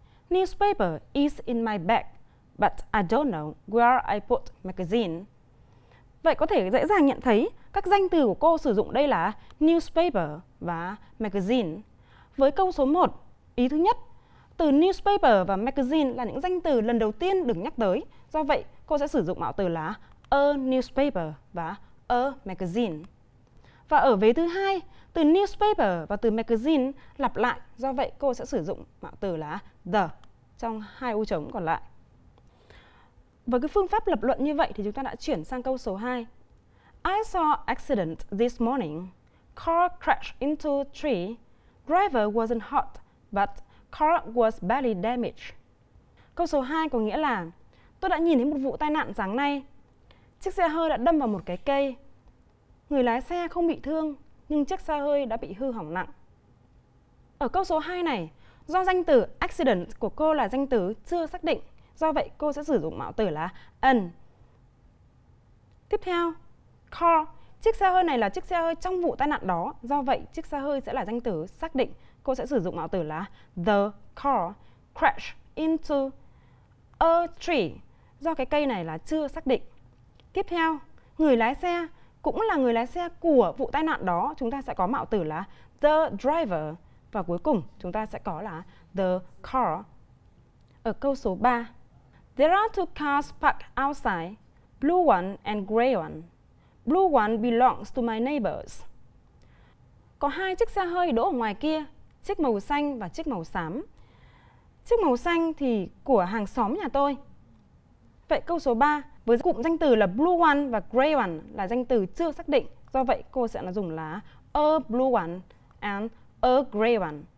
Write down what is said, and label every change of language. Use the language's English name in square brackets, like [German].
[English] Newspaper is in my bag, but I don't know where I put magazine. [Vietnamese] Vậy có thể dễ dàng nhận thấy các danh từ của cô sử dụng đây là newspaper và magazine. Với câu số 1, ý thứ nhất, từ newspaper và magazine là những danh từ lần đầu tiên được nhắc tới. Do vậy, cô sẽ sử dụng mạo từ là a newspaper và a magazine. Và ở vế thứ hai, từ newspaper và từ magazine lặp lại. Do vậy, cô sẽ sử dụng mạo từ là the trong hai ô trống còn lại. Với cái phương pháp lập luận như vậy thì chúng ta đã chuyển sang câu số 2. [English] I saw accident this morning. Car crashed into tree. Driver wasn't hurt, but car was badly damaged. [Vietnamese] Câu số 2 có nghĩa là tôi đã nhìn thấy một vụ tai nạn sáng nay. Chiếc xe hơi đã đâm vào một cái cây. Người lái xe không bị thương, nhưng chiếc xe hơi đã bị hư hỏng nặng. Ở câu số 2 này, do danh từ accident của cô là danh từ chưa xác định, do vậy cô sẽ sử dụng mạo từ là an. Tiếp theo, car, chiếc xe hơi này là chiếc xe hơi trong vụ tai nạn đó, do vậy chiếc xe hơi sẽ là danh từ xác định. Cô sẽ sử dụng mạo từ là [English] the car crashed into a tree, [Vietnamese] do cái cây này là chưa xác định. Tiếp theo, người lái xe cũng là người lái xe của vụ tai nạn đó, chúng ta sẽ có mạo từ là the driver. Và cuối cùng chúng ta sẽ có là the car. Ở câu số 3, [English] there are two cars parked outside, blue one and gray one. Blue one belongs to my neighbors. [Vietnamese] Có hai chiếc xe hơi đỗ ở ngoài kia, chiếc màu xanh và chiếc màu xám. Chiếc màu xanh thì của hàng xóm nhà tôi. Vậy câu số 3 với cụm danh từ là blue one và gray one là danh từ chưa xác định. Do vậy cô sẽ là dùng là [English] a blue one and a gray one.